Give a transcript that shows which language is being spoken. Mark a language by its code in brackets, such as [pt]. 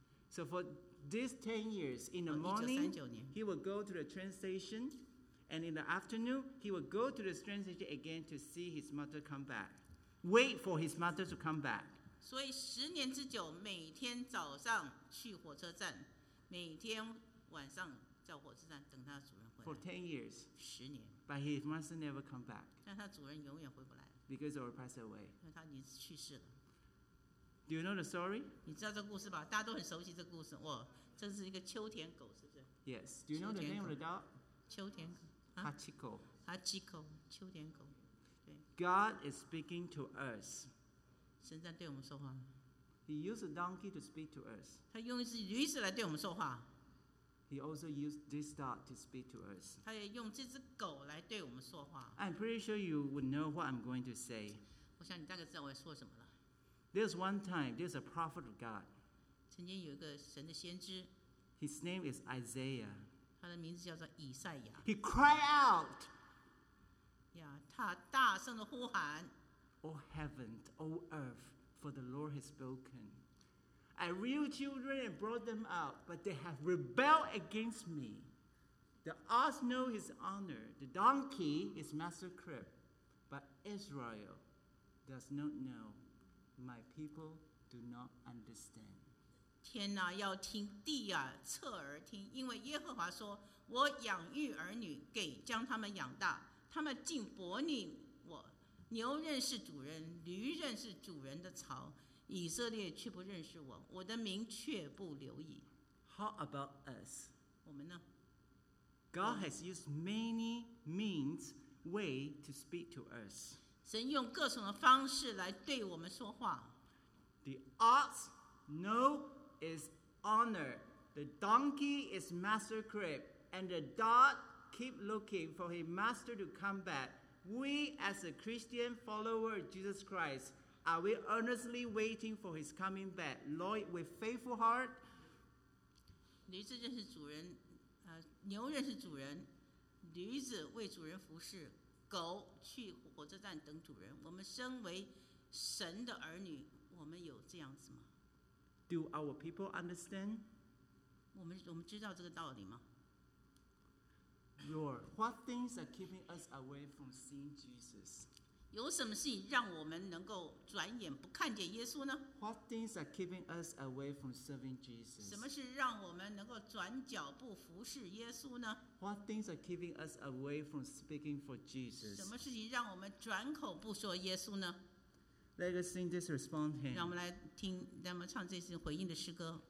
[en] So for These 10 years, in the morning, he would go to the train station, and in the afternoon, he would go to the train station again to see his mother come back. Wait for his mother to come back. [zh] 所以十年之久，每天早上去火车站，每天晚上在火车站等他主人回来。 [en] For 10 years. [zh] 十年。 [en] But his mother never come back. [zh] 但他主人永远回不来。 [en] Because he passed away. [zh] 因为他已经去世了。 [en] Do you know the story? [zh] 你知道这故事吧？大家都很熟悉这故事。哇，这是一个秋田狗，是不是 [en] ？Yes. Do you know the name of the dog? [zh] 秋田狗。 [en] Hachiko. [zh] Hachiko, 秋田狗。 [en] God is speaking to us. [zh] 神在对我们说话。 [en] He used a donkey to speak to us. [zh] 他用一只驴子来对我们说话。 [en] He also used this dog to speak to us. [zh] 他也用这只狗来对我们说话。 [en] I'm pretty sure you would know what I'm going to say. [zh] 我想你大概知道我要说什么了。 [en] There's one time, there's a prophet of God. [zh] 曾经有一个神的先知。 [en] His name is Isaiah. [zh] 他的名字叫做以赛亚。 [en] He cried out. [zh] Yeah, 他大声的呼喊。 [en] O heaven, O earth, for the Lord has spoken. I reared children and brought them up, but they have rebelled against me. The ox knows his honor, the donkey his master crib, but Israel does not know. My people do not understand. [zh] 天哪，要听地啊，侧耳听，因为耶和华说，我养育儿女，给将他们养大，他们竟驳逆我。牛认识主人，驴认识主人的槽，以色列却不认识我，我的名却不留意。 [en] How about us? [zh] 我们呢？ [en] God has used many means, way to speak to us. [zh] 神用各种的方式来对我们说话。 [en] The ox know is honor, the donkey is master crib, and the dog keep looking for his master to come back. We as a Christian follower of Jesus Christ Are we earnestly waiting for his coming back? Loyal with faithful heart? [zh] 驴子认识主人，牛认识主人。驴子为主人服侍，狗去火车站等主人。我们身为神的儿女，我们有这样子吗？ [en] Do our people understand? [zh] 我们知道这个道理吗？ [en] Lord, what things are keeping us away from seeing Jesus? [zh] 有什么事让我们能够转眼不看见耶稣呢？ [en] What things are keeping us away from serving Jesus? [zh] 什么事让我们能够转脚不服侍耶稣呢？ [en] What things are keeping us away from speaking for Jesus? [zh] 什么事情让我们转口不说耶稣呢？ [en] Let us sing this response to him. [zh] 让我们来听，让我们唱这次回应的诗歌。